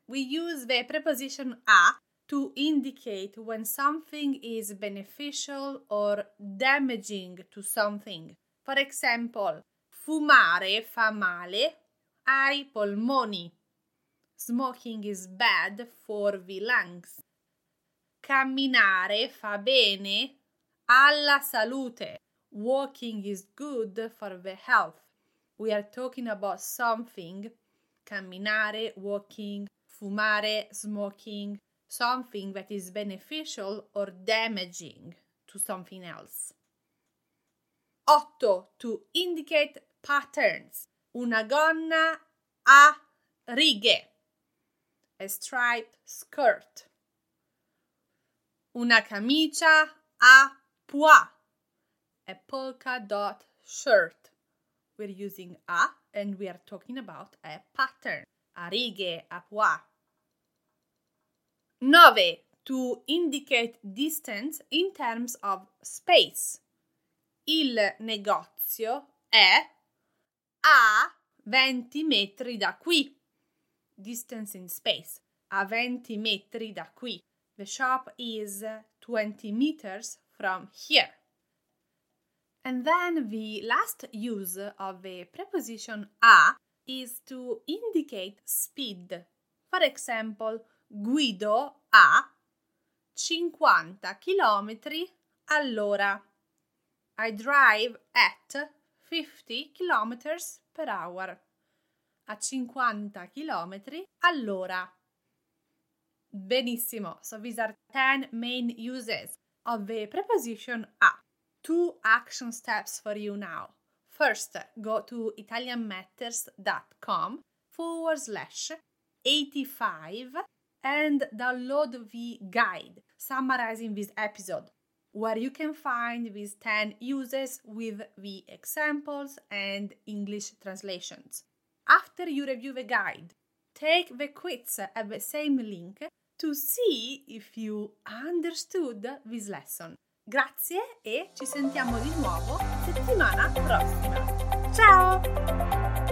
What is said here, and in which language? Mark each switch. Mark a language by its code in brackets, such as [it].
[en] We use the preposition a to indicate when something is beneficial or damaging to something. For example, [it] fumare fa male ai polmoni. [en] Smoking is bad for the lungs. [it] Camminare fa bene alla salute. [en] Walking is good for the health. We are talking about something. Camminare, walking, fumare, smoking, something that is beneficial or damaging to something else. 8. To indicate patterns. [it] Una gonna a righe. [en] A striped skirt. [it] Una camicia a pois. [en] A polka dot shirt. We're using a and we are talking about a pattern. [it] A righe, a pois. [en] 9. To indicate distance in terms of space. [it] Il negozio è a 20 metri da qui. [en] Distance in space. [it] A 20 metri da qui. [en] The shop is 20 meters from here. And then the last use of the preposition a is to indicate speed. For example, [it] guido a 50 chilometri all'ora. [en] I drive at 50 kilometers per hour. [it] A 50 chilometri all'ora. Benissimo. [en] So these are 10 main uses of the preposition a. 2 action steps for you now. First, go to italianmatters.com/85 and download the guide summarizing this episode, where you can find these 10 uses with the examples and English translations. After you review the guide, take the quiz at the same link to see if you understood this lesson. [it] Grazie e ci sentiamo di nuovo settimana prossima. Ciao!